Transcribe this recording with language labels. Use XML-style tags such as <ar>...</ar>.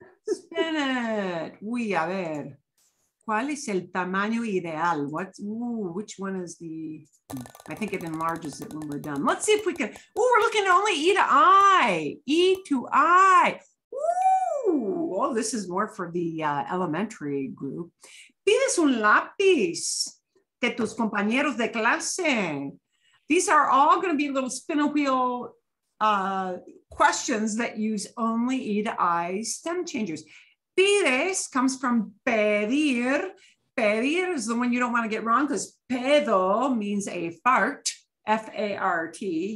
<en>Spin it.</en> <es>Uy, a ver. ¿Cuál es el tamaño ideal?</es> <en>What, ooh, which one is the, I think it enlarges it when we're done. Let's see if we can, oh, we're looking at only E to I. E to I. Ooh, oh, this is more for the elementary group.</en> <es>¿Pides un lápiz de tus compañeros de clase?</es> <en>These are all going to be little spinner wheel questions that use only E to I stem changers. Pides comes from pedir. Pedir is the one you don't want to get wrong because pedo means a fart, F-A-R-T.</en>